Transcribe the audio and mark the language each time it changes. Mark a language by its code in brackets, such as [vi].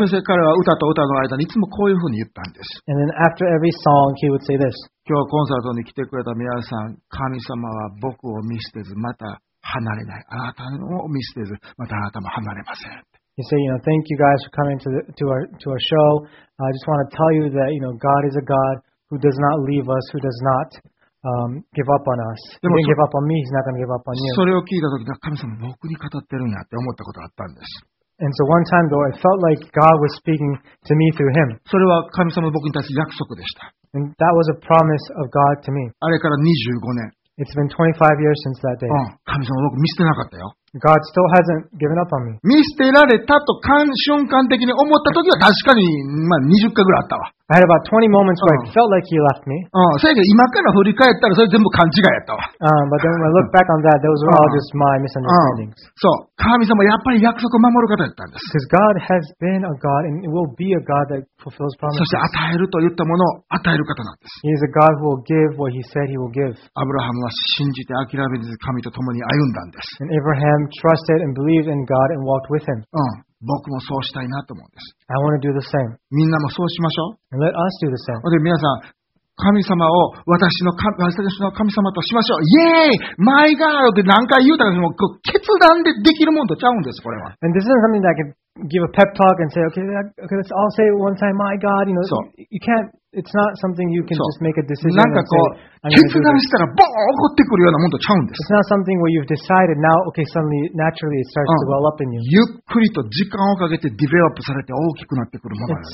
[ja] そして彼は歌と歌の間にいつもこういうふうに言ったんです。 [en] And then after every song, he would say this. [ja] 今日コンサートに来てくれた皆さん、神様は僕を見捨てず、また離れない。あなたを見捨てず、またあなたも離れません。 [en] He said, you know, thank you guys for coming to our show. I just want to tell you that, you know, God is a God who does not leave us, who does not give up on us. He didn't give up on me. He's not going to give up on you. [ja] それを聞いた時、神様僕に語ってるんやって思ったことがあったんです。 [en] And so one time though, I felt like God was speaking to me through him. [ja] それは神様の僕に対する約束でした。 [en] And that was a promise of God to me. [ja] あれから25年。 [en] It's been 25 years since that day. [ja] 神様僕見捨てなかったよ。 [en] God still hasn't given up on me. [ja] 見捨てられたと瞬間的に思った時は確かに、まあ、20回ぐらいあったわ。 [en] I had about 20 moments where I felt like he left me. [ja] そうやけど今から振り返ったらそれ全部勘違いやったわ。 [en] But then when I look back on that, those were all just my misunderstandings. [ja] そう。神様やっぱり約束を守る方だったんです。 [en] Because God has been a God and will be a God that fulfills promises. [ja] そして与えると言ったものを与える方なんです。 [en] He is a God who will give what he said he will give. [ja] アブラハムは信じて諦めず神と共に歩んだんです。 [en] And Abraham trusted and believed in God and walked with him. [ja] 僕もそうしたいなと思うんです。 [en] I want to do the same. [ja] みんなもそうしましょう。 [en] And let us do the same. [ja] で、皆さん、神様を私の神様としましょう。イエーイ ! [en] My God! [ja] って何回言うたらもう決断でできるもんとちゃうんです、これは。 [en] And this isn't something that I can give a pep talk and say, okay, let's all say it one time, my God. You know, you can't, it's not something you can just make a decision and say, I'm going to do it. [ja] 決断したらボーン怒ってくるようなもんとちゃうんです。 [en] It's not something where you've decided now, okay, suddenly, naturally, it starts to well up in you. [ja] ゆっくりと時間をかけてディベロップされて大きくなってくるものなんです。